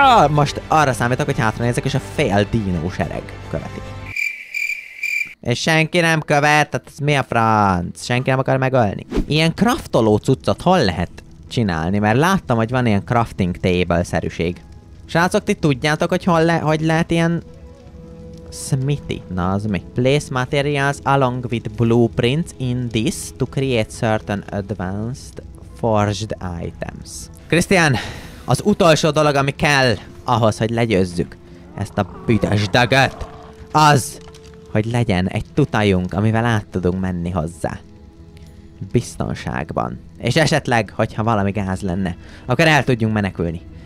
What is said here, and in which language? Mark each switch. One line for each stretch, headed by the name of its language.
Hungarian: Most arra számítok, hogy hátranézek, és a fél dinó sereg követi. És senki nem követ, tehát ez mi a franc? Senki nem akar megölni. Ilyen kraftoló cuccot hol lehet csinálni? Mert láttam, hogy van ilyen crafting table-szerűség. Srácok, ti tudjátok, hogy hogy lehet ilyen... Smithy. Na, az mi?
English: Place materials along with blueprints in this to create certain advanced forged items.
Hungarian: Krisztián, az utolsó dolog, ami kell ahhoz, hogy legyőzzük ezt a büdös dagat, az, hogy legyen egy tutajunk, amivel át tudunk menni hozzá. Biztonságban. És esetleg, hogyha valami gáz lenne, akkor el tudjunk menekülni.